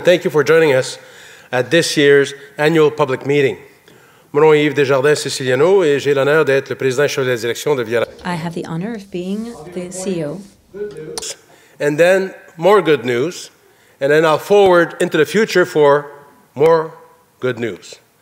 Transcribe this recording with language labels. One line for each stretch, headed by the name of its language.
English: Thank you for joining us at this year's annual public meeting.
French: Mon nom est Yves Desjardins Siciliano et j'ai l'honneur d'être le président chef de la direction de Via Rail.
English: I have the honor of being the CEO. And then more good news. And then I'll forward into the future for more good news.